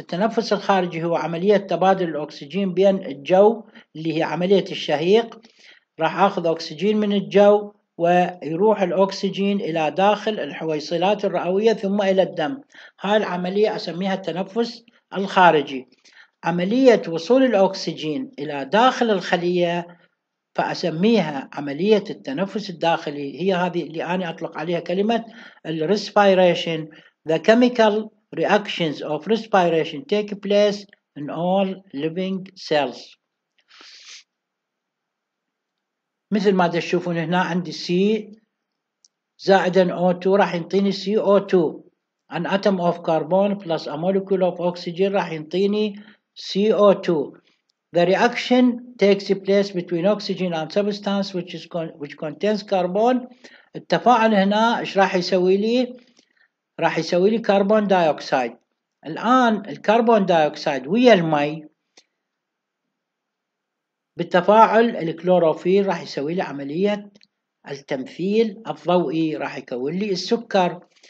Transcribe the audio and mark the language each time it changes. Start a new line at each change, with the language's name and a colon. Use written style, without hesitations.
Arabic: التنفس الخارجي هو عملية تبادل الأكسجين بين الجو اللي هي عملية الشهيق، راح أخذ أكسجين من الجو ويروح الأكسجين إلى داخل الحويصلات الرئوية ثم إلى الدم. هاي العملية أسميها التنفس الخارجي. عملية وصول الأكسجين إلى داخل الخلية فأسميها عملية التنفس الداخلي، هي هذه اللي أنا أطلق عليها كلمة الريسبيريشن.
English: The chemical reactions of respiration take place in all living cells.
Arabic: مثل ما تشوفون هنا عندي C زائد O2 راح ينطيني CO2.
English: An atom of carbon plus a molecule of oxygen
Arabic: راح ينطيني
English: CO2. The reaction takes place between oxygen and substance which contains carbon.
Arabic: التفاعل هنا ايش راح يسوي لي؟ راح يسوي لي كربون دايوكسيد. الآن الكربون دايوكسيد ويا المي بالتفاعل الكلوروفيل راح يسوي لي عملية التمثيل الضوئي، راح يكون لي السكر.